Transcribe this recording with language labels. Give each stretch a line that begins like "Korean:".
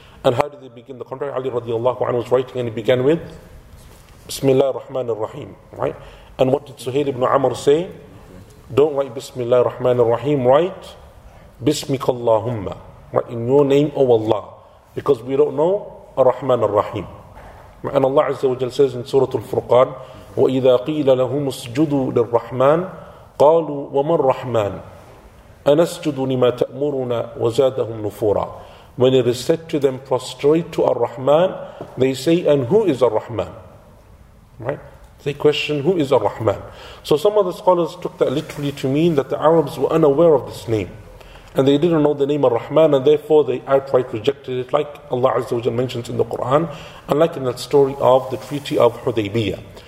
English: And how did they begin the contract? Ali radiallahu anhu was writing, and he began with Bismillah ar-Rahman ar-Rahim, right? And what did Suhail ibn Amr say? Don't write Bismillah ar-Rahman ar-Rahim, write Bismikallahumma. Right, in your name, O Allah. Because we don't know Ar-Rahman Ar-Rahim. And Allah Azza wa Jal says in Surah Al-Furqan,
Arabic: وَإِذَا قِيلَ لَهُمُ اسْجُدُوا لِلرَّحْمَانِ قَالُوا وَمَا الرَّحْمَانِ أَنَسْجُدُ لِمَا تَأْمُرُنَا وَزَادَهُمْ نُفُورًا.
English: When it is said to them, prostrate to Ar-Rahman, they say, and who is Ar-Rahman? Right? They question, who is Ar-Rahman? So some of the scholars took that literally to mean that the Arabs were unaware of this name. And they didn't know the name Ar-Rahman, and therefore they outright rejected it, like Allah Azza wa Jal mentions in the Quran, and like in that story of the Treaty of Hudaybiyah.